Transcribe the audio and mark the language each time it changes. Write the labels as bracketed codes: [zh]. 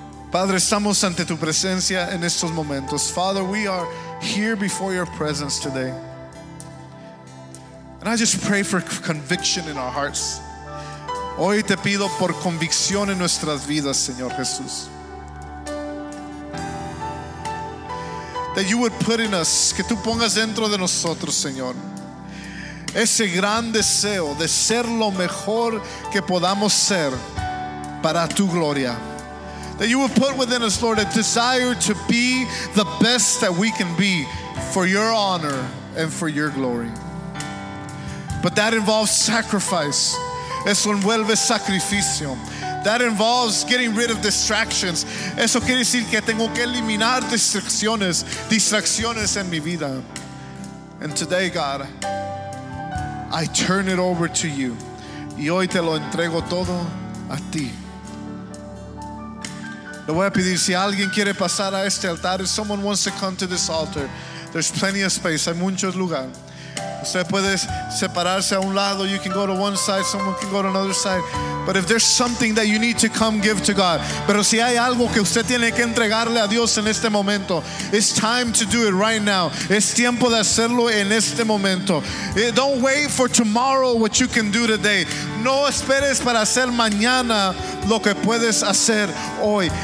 [es] Padre, estamos ante tu presencia en estos momentos. [en] Father, we are here before your presence today. And I just pray for conviction in our hearts. [es] Hoy te pido por convicción en nuestras vidas, Señor Jesús. [en] That you would put in us, [es] que tú pongas dentro de nosotros, Señor, ese gran deseo de ser lo mejor que podamos ser para tu gloria. [en] That you would put within us, Lord, a desire to be the best that we can be for your honor and for your glory. But that involves sacrifice. [es] Eso envuelve sacrificio. [en] That involves getting rid of distractions. [es] Eso quiere decir que tengo que eliminar distracciones en mi vida. [en] And today, God, I turn it over to you. [es] Y hoy te lo entrego todo a ti. Le voy a pedir, si alguien quiere pasar a este altar, [en] if someone wants to come to this altar, there's plenty of space, [es] hay muchos lugares. Usted puede separarse a un lado, [en] you can go to one side, someone can go to another side. But if there's something that you need to come give to God, [es] pero si hay algo que usted tiene que entregarle a Dios en este momento, [en] it's time to do it right now. [es] Es tiempo de hacerlo en este momento. [en] Don't wait for tomorrow what you can do today. [es] No esperes para hacer mañana lo que puedes hacer hoy.